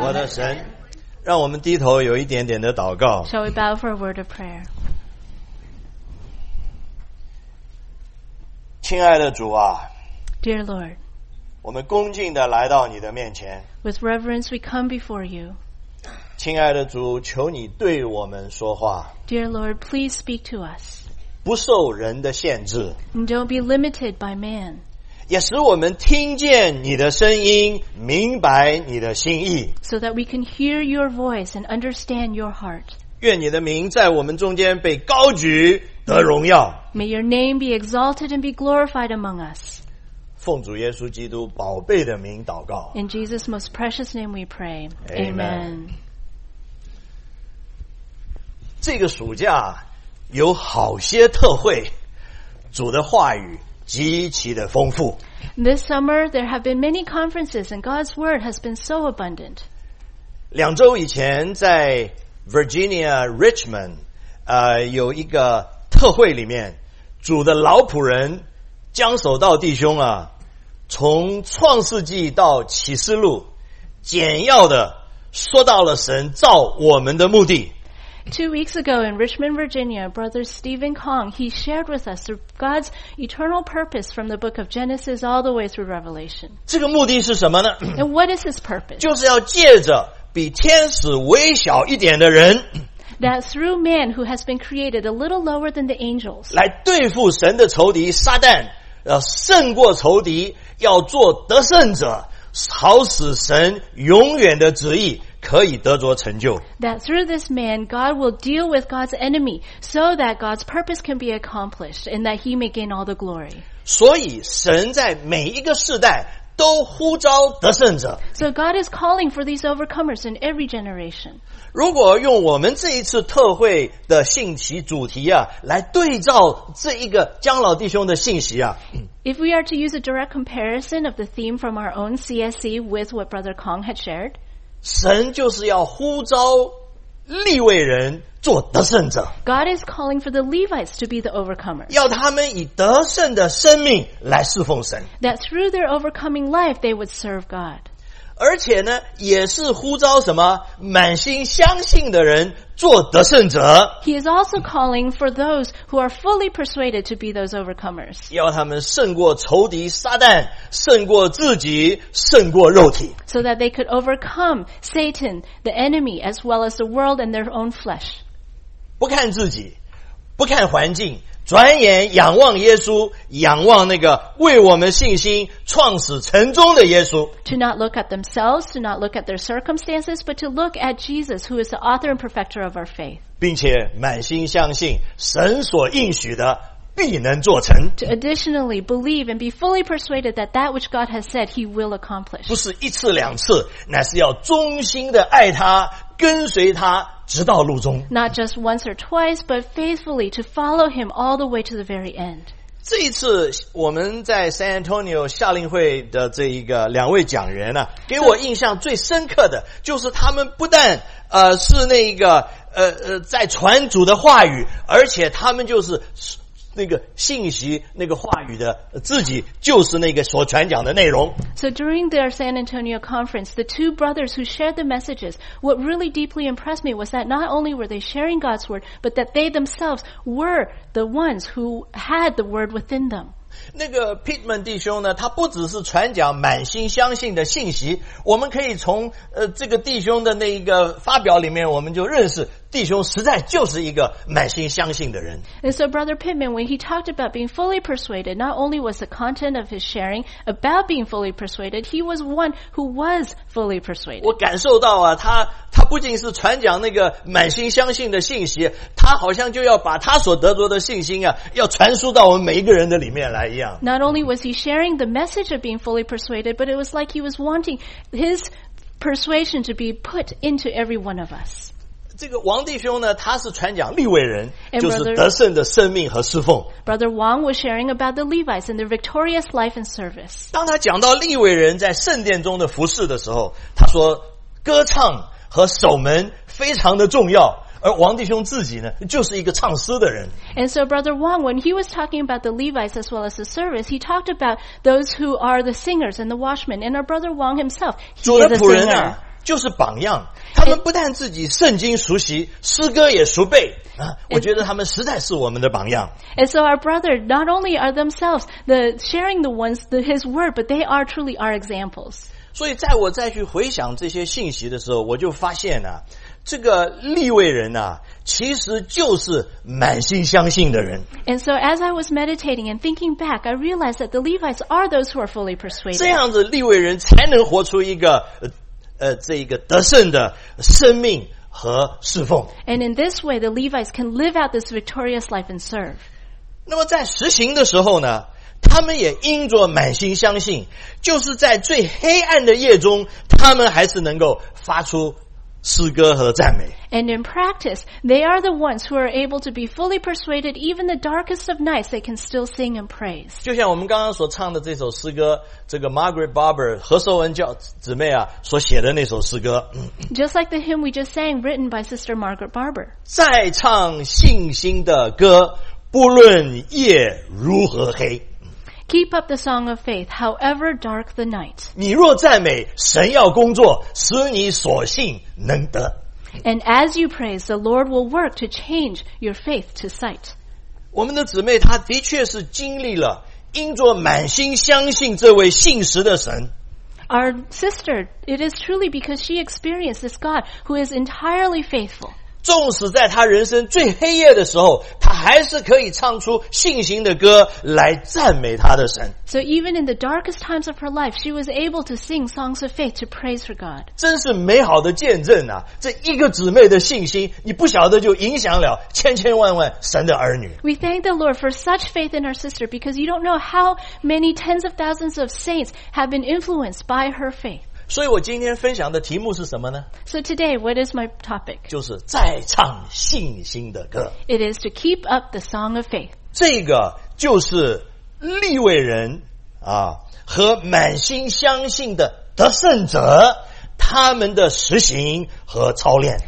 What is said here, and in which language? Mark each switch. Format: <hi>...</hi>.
<zh>我的神让我们低头有一点点的祷告</zh> <en>Shall we bow for a word of prayer?</en> <zh>亲爱的主啊</zh> <en>Dear Lord,</en> <zh>我们恭敬地来到你的面前</zh> <en>With reverence, we come before you.</en> <zh>亲爱的主，求你对我们说话。</zh> <en>Dear Lord, please speak to us.</en> <zh>不受人的限制。</zh> <en>And don't be limited by man.</en> <zh>也使我们听见你的声音，明白你的心意。</zh> <en>So that we can hear your voice and understand your heart.</en> <zh>愿你的名在我们中间被高举，得荣耀。</zh> <en>May your name be exalted and be glorified among us.</en> <zh>奉主耶稣基督宝贝的名祷告。</zh> <en>In Jesus' most precious name we pray. Amen. Amen.</en> <zh>这个暑假有好些特会，主的话语极其的丰富。</zh> <en>This summer there have been many conferences and God's word has been so abundant.</en> <zh>两周以前在 Virginia Richmond, 有一个特会里面，主的老仆人江守道弟兄啊从创世纪到启示录简要的说到了神造我们的目的</zh> <en>2 weeks ago in Richmond, Virginia Brother Stephen Kong he shared with us God's eternal purpose from the book of Genesis all the way through Revelation</en> <zh>这个目的是什么呢</zh> <en>And what is his purpose?</en> <zh>就是要借着比天使微小一点的人</zh> <en>That through man who has been created a little lower than the angels</en> <zh>来对付神的仇敌撒旦要胜过仇敌要做得胜者好使神永远的旨意可以得着成就</zh> <en>That through this man God will deal with God's enemy so that God's purpose can be accomplished and that he may gain all the glory</en> <zh>所以神在每一个世代都呼召得胜者</zh> <en>So God is calling for these overcomers in every generation</en> <zh>如果用我们这一次特会的信息主题啊来对照这一个江老弟兄的信息啊</zh> <en>If we are to use a direct comparison of the theme from our own CSC with what Brother Kong had shared</en> <zh>神就是要呼召利未人做得胜者</zh> <en>God is calling for the Levites to be the overcomers</en> <zh>要他们以得胜的生命来侍奉神</zh> <en>That through their overcoming life they would serve God</en> <zh>而且呢，也是呼召什么满心相信的人做得胜者。</zh> <en>He is also calling for those who are fully persuaded to be those overcomers.</en> <zh>要他们胜过仇敌撒旦，胜过自己，胜过肉体。</zh> <en>So that they could overcome Satan, the enemy, as well as the world and their own flesh.</en> <zh>不看自己，不看环境。转眼仰望耶稣，仰望那个为我们信心创始成终的耶稣。</zh> <en>To not look at themselves, to not look at their circumstances, but to look at Jesus, who is the author and perfecter of our faith.</en> <zh>并且满心相信神所应许的必能做成。</zh> <en>To additionally believe and be fully persuaded that that which God has said He will accomplish.</en> <zh>不是一次两次，乃是要忠心的爱他，跟随他。直到路中</zh> <en>Not just once or twice, but faithfully to follow him all the way to the very end.</en> <zh>这一次我们在 San Antonio 夏令会的这一个两位讲员呢、啊，给我印象最深刻的就是他们不但是那一个在传主的话语，而且他们就是。那个信息那个话语的自己就是那个所传讲的内容</zh> <en>So during their San Antonio conference the two brothers who shared the messages what really deeply impressed me was that not only were they sharing God's word but that they themselves were the ones who had the word within them</en> <zh>那个 Pittman 弟兄呢他不只是传讲满心相信的信息我们可以从这个弟兄的那一个发表里面我们就认识弟兄实在就是一个满心相信的人。</zh> <en>And so Brother Pittman, when he talked about being fully persuaded, not only was the content of his sharing about being fully persuaded, he was one who was fully persuaded.</en> <zh>我感受到啊，他不仅是传讲那个满心相信的信息，他好像就要把他所得着的信心啊，要传输到我们每一个人的里面来一样。</zh> <en>Not only was he sharing the message of being fully persuaded, but it was like he was wanting his persuasion to be put into every one of us.</en> <zh>这个王弟兄呢他是传讲利未人就是得胜的生命和侍奉</zh> <en>Brother Wang was sharing about the Levites and their victorious life and service</en> <zh>当他讲到利未人在圣殿中的服事的时候他说歌唱和守门非常的重要而王弟兄自己呢就是一个唱诗的人</zh> <en>And so Brother Wang when he was talking about the Levites as well as the service he talked about those who are the singers and the watchmen and our Brother Wang himself he</en> <zh>主的仆人啊就是榜样他们不但自己圣经熟悉诗歌也熟背、啊、我觉得他们实在是我们的榜样</zh> <en>And so our brother not only are themselves the sharing the ones the, his word but they are truly our examples</en> <zh>所以在我再去回想这些信息的时候我就发现呢、啊，这个利未人呢、啊，其实就是满心相信的人</zh> <en>And so as I was meditating and thinking back I realized that the Levites are those who are fully persuaded</en> <zh>这样子利未人才能活出一个这一个得胜的生命和侍奉。</zh> <en>And in this way, the Levites can live out this victorious life and serve.</en> <zh>那么在实行的时候呢，他们也因着满心相信，就是在最黑暗的夜中，他们还是能够发出诗歌和赞美。</zh> <en>And in practice, they are the ones who are able to be fully persuaded, even the darkest of nights, they can still sing and praise.</en> <zh>就像我们刚刚所唱的这首诗歌，这个 Margaret Barber 何寿恩教姊妹啊所写的那首诗歌。</zh> <en>Just like the hymn we just sang, written by Sister Margaret Barber.</en> <zh>再唱信心的歌，不论夜如何黑。</zh> <en>Keep up the song of faith, however dark the night.</en> <zh>你若赞美，神要工作，使你所信能得。</zh> <en>And as you praise, the Lord will work to change your faith to sight.</en> <zh>我们的姊妹她的确是经历了因着满心相信这位信实的神。</zh> <en>Our sister, it is truly because she experienced this God who is entirely faithful.</en> <zh>纵使在她人生最黑夜的时候，她还是可以唱出信心的歌来赞美她的神。</zh> <en>So even in the darkest times of her life, she was able to sing songs of faith to praise her God.</en> <zh>真是美好的见证啊！这一个姊妹的信心，你不晓得就影响了千千万万神的儿女。</zh> <en>We thank the Lord for such faith in our sister because you don't know how many tens of thousands of saints have been influenced by her faith.</en> <zh>所以我今天分享的题目是什么呢？</zh> <en>So today, what is my topic?</en> <zh>就是再唱信心的歌。</zh> <en>It is to keep up the song of faith.</en> <zh>这个就是利未人啊，和满心相信的得胜者，他们的实行和操练。</zh>